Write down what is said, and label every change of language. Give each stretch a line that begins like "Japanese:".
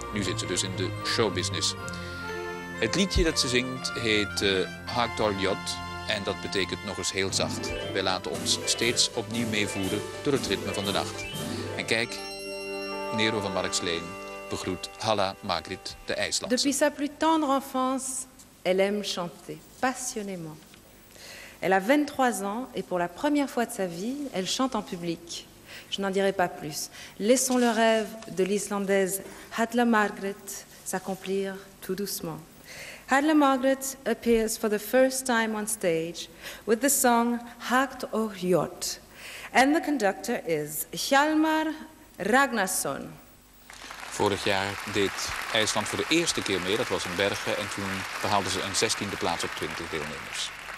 Dutch: Nu zit ze dus in de showbusiness. Het liedje dat ze zingt heet Hagdol Jot en dat betekent nog eens heel zacht. Wij laten ons steeds opnieuw meevoeren door het ritme van de nacht. En kijk, Nero van Marxleen begroet Halla Margrét de IJslandse.
French: Depuis sa plus tendre enfance, elle aime chanter passionnément. Elle a 23 ans et pour la première fois de sa vie, elle chante en public. Je n'en dirai pas plus. Laissons le rêve de l'Islandaise Halla Margrét s'accomplir tout doucement.
English: Halla Margrét appears for the first time on stage with the song Hakt og Jot. And the conductor is Hjalmar Ragnarsson.
Dutch: Vorig jaar deed IJsland voor de eerste keer mee, dat was in Bergen. En toen behaalden ze een 16e plaats op 20 deelnemers.